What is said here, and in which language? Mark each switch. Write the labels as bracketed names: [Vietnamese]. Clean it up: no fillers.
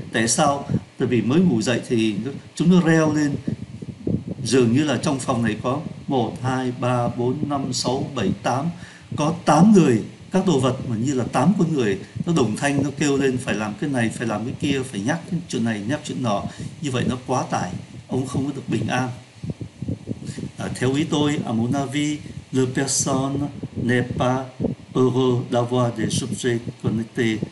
[Vietnamese] Tại sao? Tại vì mới ngủ dậy thì chúng nó reo lên. Dường như là trong phòng này có 1, 2, 3, 4, 5, 6, 7, 8, có 8 người, các đồ vật mà như là 8 con người, nó đồng thanh, nó kêu lên phải làm cái này, phải làm cái kia, phải nhắc cái chuyện này, nhắc chuyện nọ. Như vậy nó quá tải, ông không có được bình an. Theo ý tôi, [French] à mon avis, le personne n'est pas heureux d'avoir des objets connectés.